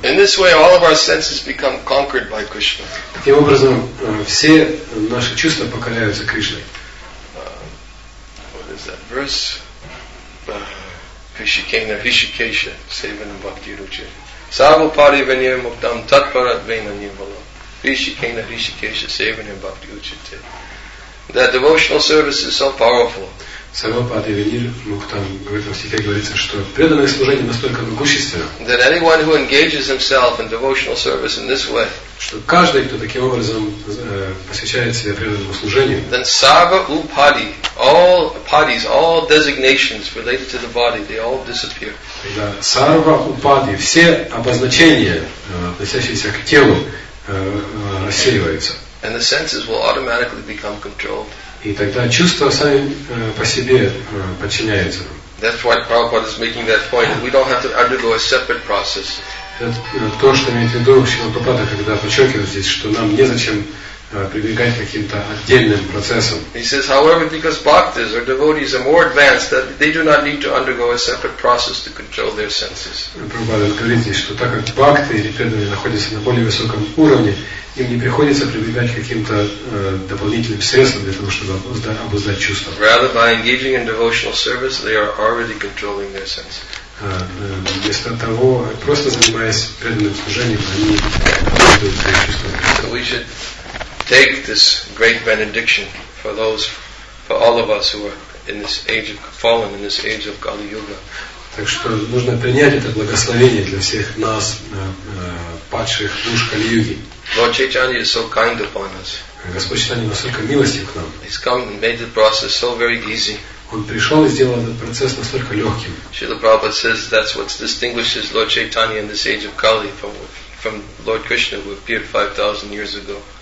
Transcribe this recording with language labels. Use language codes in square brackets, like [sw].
[en] In this way, all of our senses become conquered by Krishna. [ru] Таким образом, все наши чувства покоряются Кришной. [en] What is that verse? [sa] Hrishikena, Hrishikesha, Sevana Bhakti Ruchi. Sarva Pari Vinaya Muktam Tat Parat Vena Nivala. Hrishikena, Hrishikesha, Sevana Bhakti Ruchi. [en] That devotional service is so powerful. [sa] Сарвапати Венир Мухтам [ru] в этом стихе говорится, что преданное служение настолько могущественно, что каждый, кто таким образом посвящает себя преданному служению, [en] then sarva upadi, all upadis, all designations related to the body, they all disappear. [ru] Да, сарва упади, все обозначения, относящиеся к телу, рассеиваются. [en] And the senses will automatically become controlled. [ru] И тогда чувства сами по себе подчиняются. [en] That's why Prabhupada is making that point. We don't have to undergo a separate process. [ru] То, что имеет в виду Шрила Прабхупада, когда подчеркивает здесь, что нам незачем прибегать к каким-то отдельным процессам. [en] He says, however, because bhaktas or devotees are more advanced, that they do not need to undergo a separate process to control their senses. [ru] Прабхупада говорит здесь, что так как бхакты или преданные находятся на более высоком уровне, им не приходится прибегать к каким-то дополнительным средствам для того, чтобы обуздать чувства. [en] Rather, by engaging in devotional service, they are already controlling their senses. [ru] Вместо того, просто занимаясь преданным служением, они обуздают свои чувства. [en] So we should take this great benediction for those, for all of us who are in this age of fallen, in this age of Kali Yuga. [ru] Так что нужно принять это благословение для всех нас, падших душ Кали Юги. [en] Lord Chaitanya is so kind upon us. [ru] Господь Чайтанья настолько милостив к нам. [en] He's come and made the process so very easy. [ru] Он пришел и сделал этот процесс настолько легким. [en] Srila Prabhupada says that's what distinguishes Lord Chaitanya in this age of Kali from Lord Krishna who appeared 5,000 years ago.